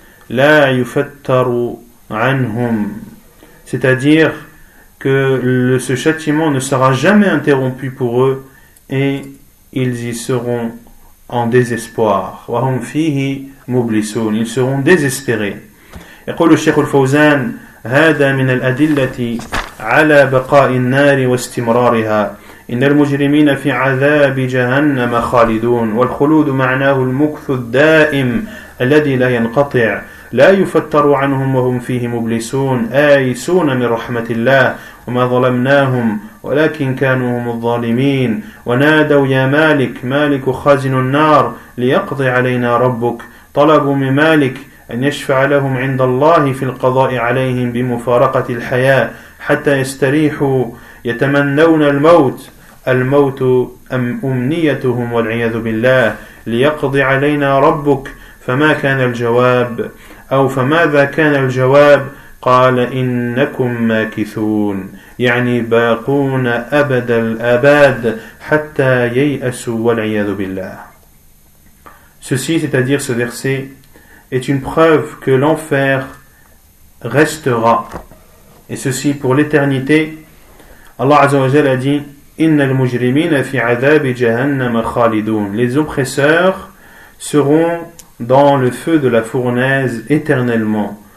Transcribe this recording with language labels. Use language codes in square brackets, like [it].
[ar] لَا يُفَتَّرُ عَنْهُمْ, [fr] c'est-à-dire que ce châtiment ne sera jamais interrompu pour eux, et ils y seront en désespoir. [ar] وَهُمْ فِيهِ مُبْلِسُونَ, [fr] ils seront désespérés. [ar] يقول الشيخ الفوزان هذا من الأدلة على بقاء النار واستمرارها إن المجرمين في عذاب جهنم خالدون والخلود معناه المكث الدائم الذي لا ينقطع لا يفتر عنهم وهم فيه مبلسون آيسون من رحمة الله وما ظلمناهم ولكن كانوا هم الظالمين ونادوا يا مالك مالك خازن النار ليقضي علينا ربك طلبوا من مالك أن يشفع لهم عند الله في القضاء عليهم بمفارقة الحياة حتى يستريحوا يتمنون الموت الموت أم أمنيتهم والعياذ بالله ليقضي علينا ربك فما كان الجواب أو فماذا كان الجواب قال إنكم ماكثون يعني باقون أبد الآباد حتى ييأسوا والعياذ بالله. [fr] Ceci, c'est-à-dire ce verset, est une preuve que l'enfer restera. Et ceci pour l'éternité. Allah Azza wa Jalla a dit [ar] إِنَّ الْمُجْرِمِينَ فِي عَذَابِ جَهَنَّمَ خَالِدُونَ [fr] Les oppresseurs seront dans le feu de la fournaise éternellement.